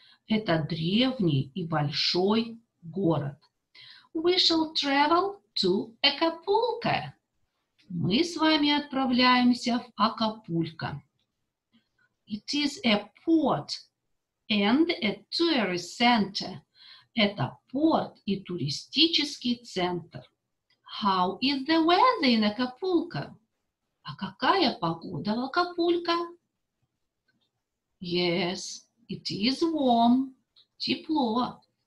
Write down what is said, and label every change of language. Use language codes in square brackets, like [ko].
[ru] Это древний и большой город. [en] We shall travel to Acapulco. [ru] Мы с вами отправляемся в Акапулько. [en] It is a port and a tourist center. [ru] Это порт и туристический центр. [en] How is the weather in Acapulco? [ru] А какая погода в Акапулько? [en] Yes, it is warm. [ru] Тепло.